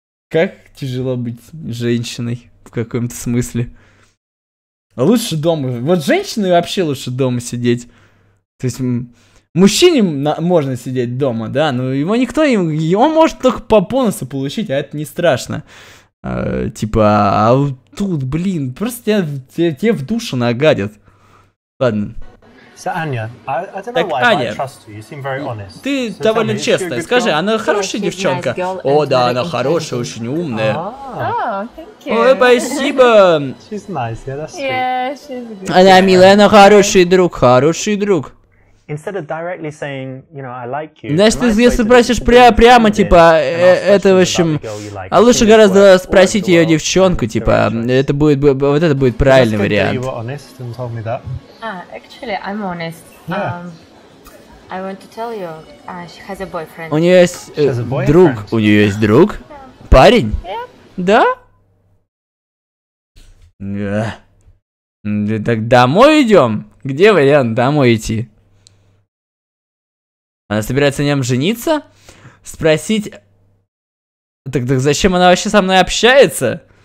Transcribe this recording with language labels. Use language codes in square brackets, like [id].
[ru] Как тяжело быть женщиной в каком-то смысле, лучше дома, вот женщине вообще лучше дома сидеть, то есть... Мужчине можно сидеть дома, да, но его никто, он может только по бонусу получить, а это не страшно. А, типа, а тут, блин, просто тебе в душу нагадят. Ладно. [en] So, Anya, I don't know why, Аня, I trust you. You seem very honest. [ru] Ты so довольно честная. Скажи, она хорошая девчонка? [en] Nice. [ru] О, да, она хорошая, очень умная. Ой, спасибо. [en] She's nice, yeah, that's sweet. Yeah, she's good. [ru] Она милая, она хороший друг, хороший друг. [en] Instead of directly saying, you know, I like you. [ru] Знаешь, ты, если спросишь прямо, типа, это, в общем, а лучше гораздо спросить ее девчонку, типа, это будет, вот это будет правильный вариант. [en] Actually, I'm honest. I want to tell you, she has a boyfriend. [ru] У нее есть друг, у нее есть друг, парень. Да? Да. Так домой идем? Где вариант домой идти? Она собирается на нем жениться? Спросить... Так зачем она вообще со мной общается?